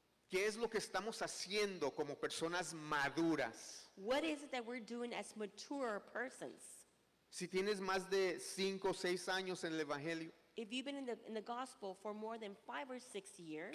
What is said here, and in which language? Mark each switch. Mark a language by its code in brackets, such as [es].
[es] ¿Qué es lo que estamos haciendo como personas maduras? [en] What is it that we're doing as mature persons? [es] Si tienes más de 5 o 6 años en el evangelio. [en] If you've been in the gospel for more than 5 or 6 years.